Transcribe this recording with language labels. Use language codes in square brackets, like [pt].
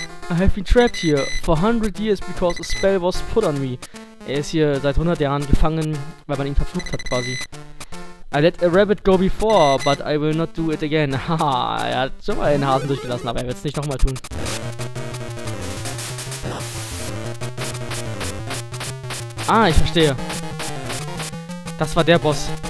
[en] I have been trapped here for 100 years because a spell was put on me. [de] Er ist hier seit 100 Jahren gefangen, weil man ihn verflucht hat quasi. [en] I let a rabbit go before, but I will not do it again. [de] Haha, er hat schon mal einen Hasen durchgelassen, aber er wird es nicht nochmal tun. Ah, ich verstehe. Das war der Boss.